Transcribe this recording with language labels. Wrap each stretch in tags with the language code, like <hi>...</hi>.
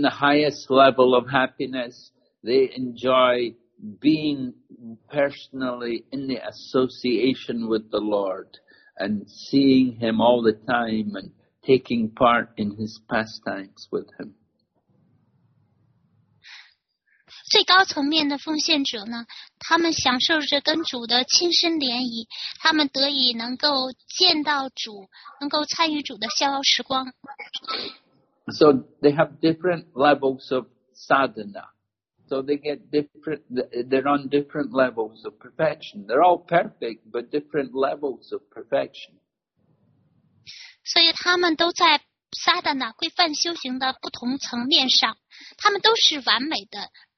<en>the highest level of happiness, they enjoy being personally in the association with the Lord and seeing Him all the time and taking part in His pastimes with Him.</en> <zh>最高层面的奉献者呢，他们享受着跟主的亲身联谊，他们得以能够见到主，能够参与主的逍遥时光。</zh> <en>So they have different levels of sadhana. So they get different, they're on different levels of perfection. They're all perfect, but different levels of perfection.</en> <zh>所以他们都在 sadhana 规范修行的不同层面上，他们都是完美的。</zh>